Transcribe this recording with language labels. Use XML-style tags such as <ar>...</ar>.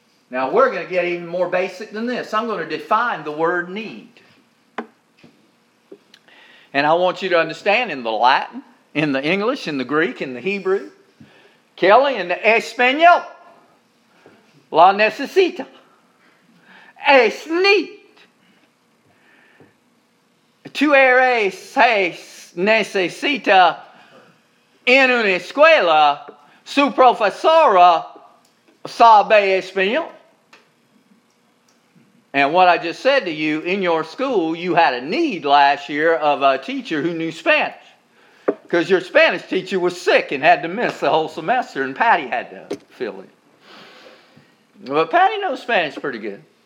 <en>Now we're going to get even more basic than this. I'm going to define the word need. And I want you to understand in the Latin, in the English, in the Greek, in the Hebrew, Kelly, in Espanol, la necesita, es need.</en> <es>Tu eres necesita en una escuela, su profesora sabe Espanol.</es> <en>And what I just said to you, in your school, you had a need last year of a teacher who knew Spanish. Because your Spanish teacher was sick and had to miss the whole semester, and Patty had to fill it. But Patty knows Spanish pretty good.</en>